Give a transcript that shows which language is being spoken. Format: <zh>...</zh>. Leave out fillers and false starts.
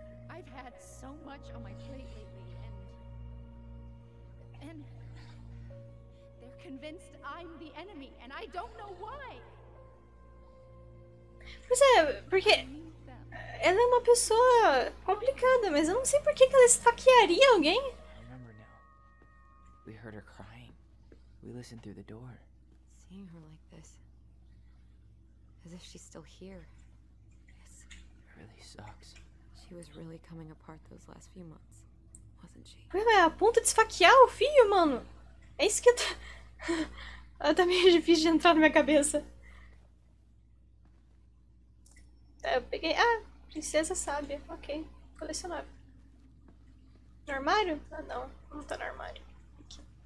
<en>I've had so much on my plate lately, and they're convinced I'm the enemy, and I don't know why.</en> <pt>Pois é, porque ela é uma pessoa complicada, mas eu não sei por que ela esfaquearia alguém.</pt> <en>I remember now. We heard her crying. We listened through the door. Seeing her like this, as if she's still here, it really sucks. She was really coming apart those last few months, wasn't she?</en> <pt>Ué, a ponto de esfaquear o filho, mano. É isso que eu tô... Tá meio difícil de entrar na minha cabeça. eu peguei. Ah, princesa sábia. Ok. Colecionável. No armário? Ah, não. Não tá no armário. Aqui.</pt>